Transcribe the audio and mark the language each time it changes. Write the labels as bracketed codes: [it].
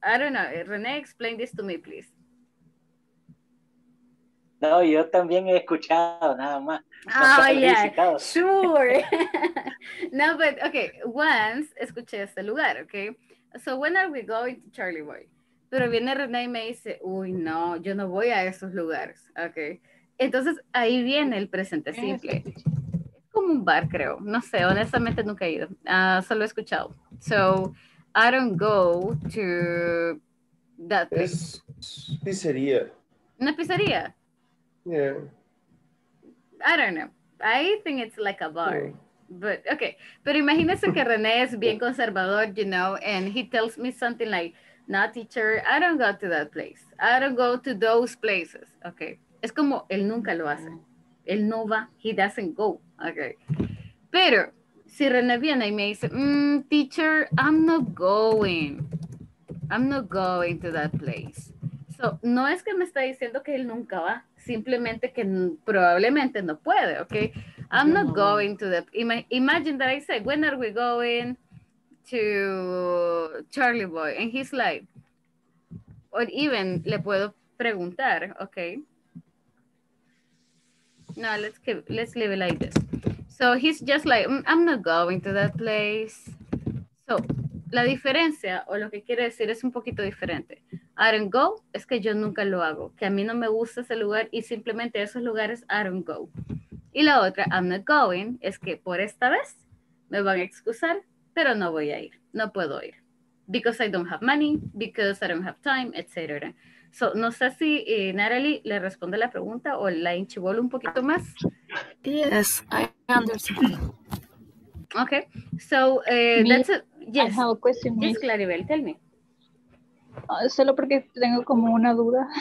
[en] I don't know. René, explain this to me, please. [es] No, yo también he escuchado, nada más. [en] Oh, yeah, sure. No, but, okay, once [es] escuché este lugar, [en] okay? So, when are we going to Charlie Boy? [es] Pero viene René y me dice, uy, no, yo no voy a esos lugares, ¿ok? Entonces, ahí viene el presente simple. Es como un bar, creo. No sé, honestamente nunca he ido. Solo he escuchado. [en] So, I don't go to that place. [es] Es pizzería. ¿Una pizzería? [en] Yeah. I don't know. I think it's like a bar. Yeah. But, okay. [es] Pero imagínense que René es bien conservador, [en] you know, and he tells me something like, no, teacher, I don't go to that place. I don't go to those places. Okay. [es] Es como él nunca lo hace. Él no va. [en] He doesn't go. Okay. [es] Pero si René viene y me dice, [en] teacher, I'm not going to that place. [es] So, no es que me está diciendo que él nunca va. Simplemente que probablemente no puede. Okay. [en] I'm not going to that. Imagine that I say, when are we going to Charlie Boy, and he's like, or even [es] le puedo preguntar, [en] okay? No, let's leave it like this. So he's just like, I'm not going to that place. [es] So la diferencia, o lo que quiere decir, es un poquito diferente. [en] I don't go, [es] es que yo nunca lo hago, que a mí no me gusta ese lugar, y simplemente esos lugares, I don't go. Y la otra, [en] I'm not going, [es] es que por esta vez me van a excusar, pero no voy a ir, no puedo ir. [en] Because I don't have money, because I don't have time, etc. [es] So, no sé si Natalie le responde la pregunta o la enchivolo un poquito más. [en] Yes, I understand. Okay, so that's it. Yes, I have a question. Yes, Claribel, tell me. [es] Solo porque tengo como una duda.